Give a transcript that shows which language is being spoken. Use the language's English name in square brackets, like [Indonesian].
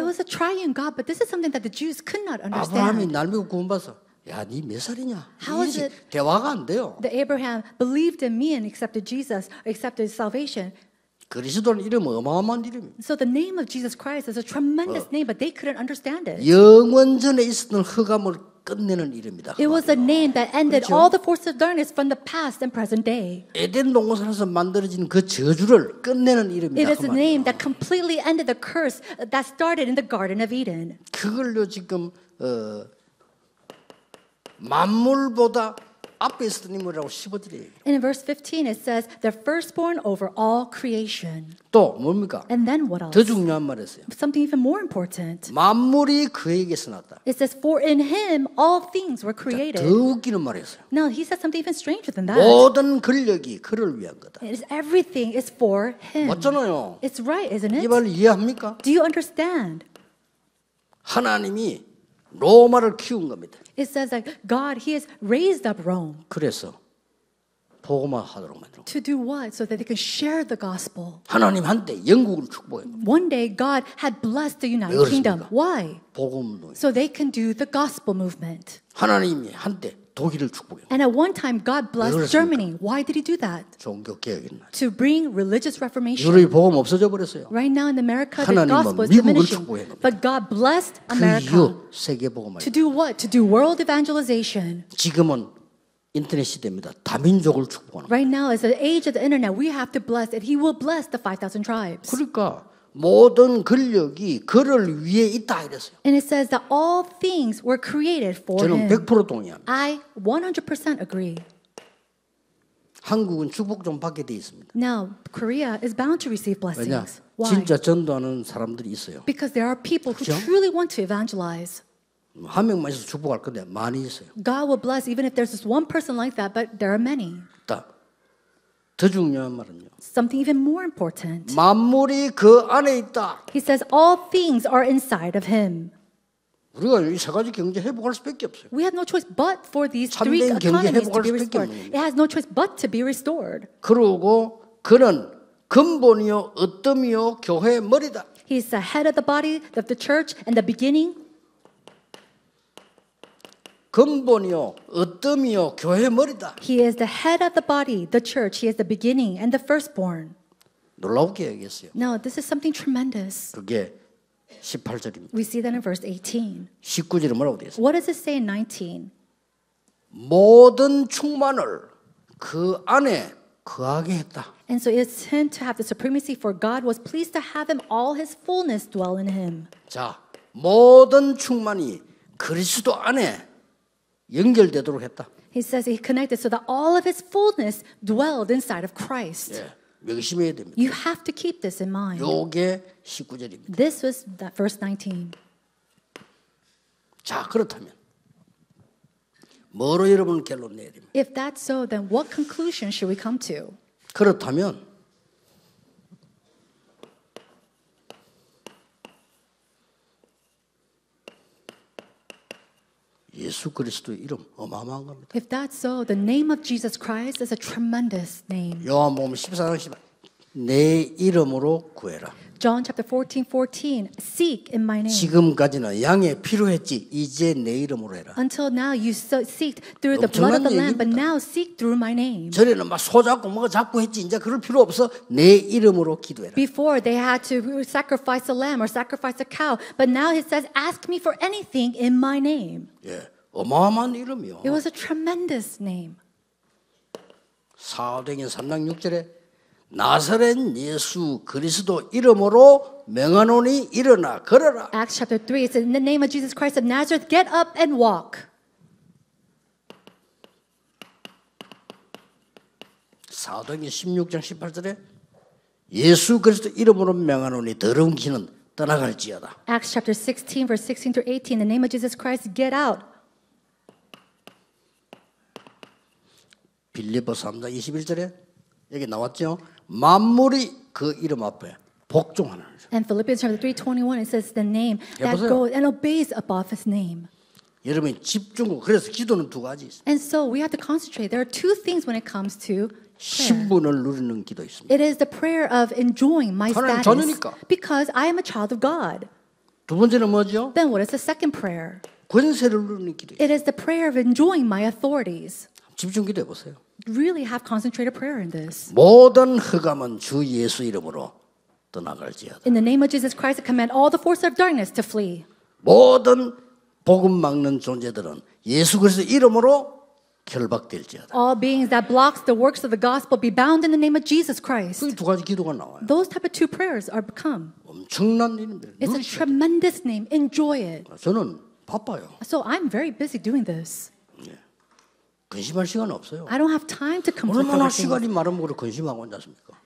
[English] It was a triune God, but this is something that the Jews could not understand. [Korean] 아브라함이 날 믿고 구원받아서, 야, 네 몇 살이냐? 이게 대화가 안 돼요. [English] The Abraham believed in me and accepted Jesus, accepted salvation. [Korean] 그리스도는 이름 어마어마한 이름. [English] So the name of Jesus Christ is a tremendous name, but they couldn't understand it. [Korean] 영원전에 있었던 흑암을 끝내는 이름이다. [English] It was a name that ended [Korean] 그렇죠? [English] all the forces of darkness from the past and present day. [Korean] 에덴 동산에서 만들어진 그 저주를 끝내는 이름이다. [English] It is a name that completely ended the curse that started in the Garden of Eden. [Korean] 그걸로 지금 만물보다 앞에 있었던 인물이라고 15절이에요. [English] In verse 15 it says the firstborn over all creation. [Korean] 또 뭡니까? [English] And then what else? [Korean] 더 중요한 말이었어요. [English] Something even more important. [Korean] 만물이 그에게서 났다. [English] It says for in him all things were created. [Korean] 자, 더 웃기는 말이었어요. [English] Now he said something even stranger than that. [Korean] 모든 권력이 그를 위한 거다. [English] It is everything is for him. [Korean] 맞잖아요. [English] It's right, isn't it? [Korean] 이 말 이해합니까? [English] Do you understand? [Korean] 하나님이 로마를 키운 겁니다. [English] It says that God, He has raised up Rome. [Korean] 그래서 복음화 하도록 만들고. [English] To do what? So that they can share the gospel. [Korean] 하나님 한때 영국을 축복해. [English] One day God had blessed the United Kingdom. Why? [Korean] 복음으로. [English] So they can do the gospel movement. [Korean] 하나님이 한때 독일을 축복해. [English] And at one time God blessed Germany. Why did He do that? [Korean] 종교 개혁인 날. [English] To bring religious reformation. [Korean] 유럽이 복음 없어져 버렸어요. [English] Right now in America, the gospel is diminishing. But God blessed America. [Korean] 그 이유 세계 복음을. [English] To do what? To do world evangelization. [Korean] 지금은 인터넷 시대입니다. 다민족을 축복하는. [English] Right now is the age of the internet. We have to bless it. He will bless the 5,000 tribes. [Korean] 그러니까 모든 권력이 그를 위해 있다 이랬어요. [English] And it says that all things were created for him. [Korean] 저는 100% 동의합니다. [English] I 100% agree. [Korean] 한국은 축복 좀 받게 돼 있습니다. [English] Now Korea is bound to receive blessings. [Korean] 왜냐? [English] Why? [Korean] 진짜 전도하는 사람들이 있어요. [English] Because there are people [Korean] 그렇죠? [English] who truly want to evangelize. [Korean] 한 명만 있어서 축복할 건데 많이 있어요. [English] God will bless even if there's just one person like that, but there are many. [Korean] 더 중요한 말은요. [English] Something even more important. [Korean] 만물이 그 안에 있다. [English] He says all things are inside of him. [Korean] 우리가 이 세 가지 경제 회복할 수밖에 없어요. [English] We have no choice but for these three economies to be restored. It has no choice but to be restored. [Korean] 그리고 그는 근본이요 으뜸이요 교회의 머리다. [English] He's the head of the body of the church and the beginning. [Korean] 근본이요, 으뜸이요, 교회 머리다. [English] He is the head of the body, the church. He is the beginning and the firstborn. [Korean] 놀라우게 얘기했어요. [English] No, this is something tremendous. [Korean] 그게 18절입니다. [English] We see that in verse 18. [Korean] 19절은 뭐라고 돼 있어요? [English] What does it say in 19? [Korean] 모든 충만을 그 안에 거하게 했다. [English] And so it's him to have the supremacy, for God was pleased to have him, all his fullness dwell in him. [Korean] 자, 모든 충만이 그리스도 안에 연결되도록 했다. [English] He says he connected so that all of his fullness dwelled inside of Christ. [Korean] 예, 명심해야 됩니다. [English] You have to keep this in mind. [Korean] 요게 19절입니다. [English] This was that verse 19. [Korean] 자, 그렇다면 뭐로 여러분 결론 내야 됩니다. [English] If that's so, then what conclusion should we come to? [Korean] 그렇다면 예수 그리스도 이름 어마어마한 겁니다. [English] If that's so, the name of Jesus Christ is a tremendous name. [Korean] 요한복음 14장 내 이름으로 구해라. [English] John chapter 14:14, seek in my name. [Korean] 지금까지는 양의 피로 했지, 이제 내 이름으로 해라. [English] Until now you seek through the blood of the lamb, but now seek through my name. [Korean] 전에는 막 소 잡고 뭐 잡고 했지, 이제 그럴 필요 없어, 내 이름으로 기도해라. [English] Before they had to sacrifice a lamb or sacrifice a cow, but now he says, ask me for anything in my name. [Korean] 예, 어마어마한 이름이요. [English] It was a tremendous name. [Korean] 사도행전 3장 6절에 나사렛 예수 그리스도 이름으로 명하노니 일어나 걸어라. [English] Acts chapter 3 says, in the name of Jesus Christ of Nazareth, get up and walk. [Korean] 사도행전 16장 18절에 예수 그리스도 이름으로 명하노니 더러운 귀는 떠나갈지어다. [English] Acts chapter 16 verse 16 through 18, in the name of Jesus Christ, get out. [Korean] 빌립보서 3장 21절에 여기 나왔죠. 만물이 그 이름 앞에 복종하는. [English] And Philippians chapter 3:21 it says the name [Korean] 해보세요. [English] That goes and obeys above His name. [Korean] 여러분 집중. 그래서 기도는 두 가지 있어요. [English] And so we have to concentrate. There are two things when it comes to prayer. [Korean] 신분을 누리는 기도 있습니다. [English] It is the prayer of enjoying my status. [Korean] 하나님 자녀니까. [English] Because I am a child of God. [Korean] 두 번째는 뭐죠? [English] Then what is the second prayer? [Korean] 권세를 누리는 기도. [English] It is the prayer of enjoying my authorities. [Korean] 집중 기도해 보세요. [English] Really have concentrated prayer in this. [Korean] 모든 흑암은 주 예수 이름으로 떠나갈지어다. [English] In the name of Jesus Christ, I command all the forces of darkness to flee. [Korean] 모든 복음 막는 존재들은 예수 그리스도 이름으로 결박될지어다. [English] All beings that blocks the works of the gospel be bound in the name of Jesus Christ. [Korean] 그 두 가지 기도가 나와요. [English] Those type of two prayers are become. [Korean] 엄청난 이름들. [English] It's a tremendous name. Enjoy it. [Korean] 저는 바빠요. [English] So I'm very busy doing this. [Korean] 근심할 시간 없어요. [English] I don't have time to complain. [Korean] 얼마나 시간이 많은 거를 근심하고 앉았습니까?